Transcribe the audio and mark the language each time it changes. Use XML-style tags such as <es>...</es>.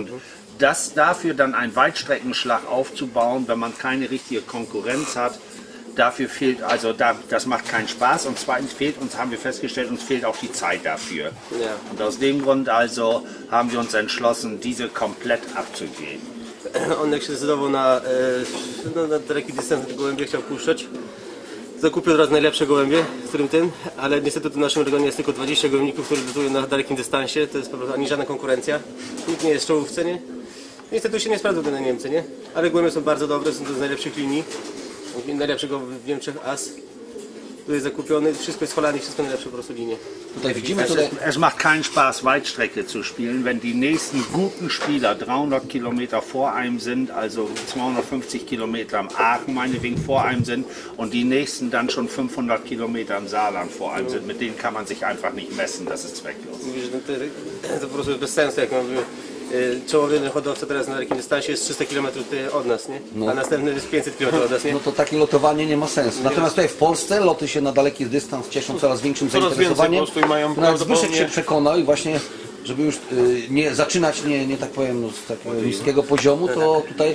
<de>Und das dafür dann einen Weitstreckenschlag aufzubauen, wenn man keine richtige Konkurrenz hat, dafür fehlt, also da, das macht keinen Spaß und zweitens fehlt uns, haben wir festgestellt, uns fehlt auch die Zeit dafür. Ja. Und aus dem Grund also haben wir uns entschlossen, diese komplett abzugeben.</de> <pl>On jak się zdecydował na daleki dystans do gołębie chciał puszczać, to kupił od razu najlepsze gołębie, z którym ten, ale niestety to w naszym regionie jest tylko 20 gołębników, które lotują na dalekim dystansie, to jest po prostu ani żadna konkurencja, nikt nie jest w czołówce, nie? Niestety się nie sprawdza na Niemcy, nie? Ale gołębie są bardzo dobre, są to z najlepszych linii. Najlepszego w Niemczech AS, tutaj zakupiony, wszystko jest holandii, wszystko najlepsze po prostu linie. Tutaj widzimy, tutaj...</pl> <de>Es macht keinen Spaß, Weitstrecke zu spielen, wenn die nächsten guten Spieler 300 Kilometer vor einem sind, also 250 Kilometer am Aachen meinetwegen vor einem sind und die nächsten dann schon 500 Kilometer im Saarland vor einem sind. Mit denen kann man sich einfach nicht messen, das ist zwecklos.</de> <pl>To po prostu bez sensu, jak mówimy. Czołowy hodowca teraz na takim dystansie jest 300 km od nas, nie? No. A następny jest 500 km od nas, nie? No to takie lotowanie nie ma sensu. Natomiast tutaj w Polsce loty się na daleki dystans cieszą coraz większym zainteresowaniem. Coraz więcej po prostu i mają... Zbyszek się przekonał i właśnie żeby już nie zaczynać, nie tak powiem, z takiego niskiego poziomu, to tutaj...</pl>